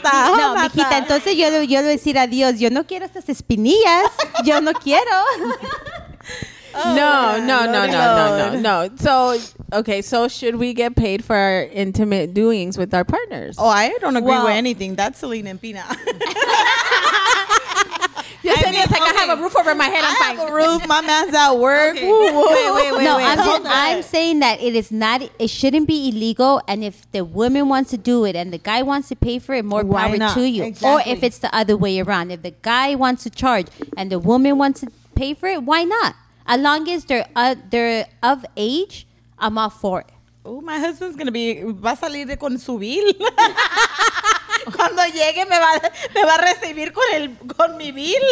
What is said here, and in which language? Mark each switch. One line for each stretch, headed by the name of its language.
Spanish: no, mijita, entonces yo le decir a Dios, yo no quiero estas espinillas. Yo no quiero. No.
English: So, okay, so should we get paid for our intimate doings with our partners? Oh, I don't agree with anything. That's Celine and Pina. I have a roof over my head. I have a roof. My man's at work. Okay. I'm saying that it shouldn't be illegal. And if the woman wants to do it and the guy wants to pay for it, more Why power not? To you. Exactly. Or if it's the other way around. If the guy wants to charge and the woman wants to pay for it, why not? As long as they're of age, I'm all for it. Oh, my husband's going to be...
Spanish: Va a salir con su bill. Cuando llegue, me va a recibir con mi bill.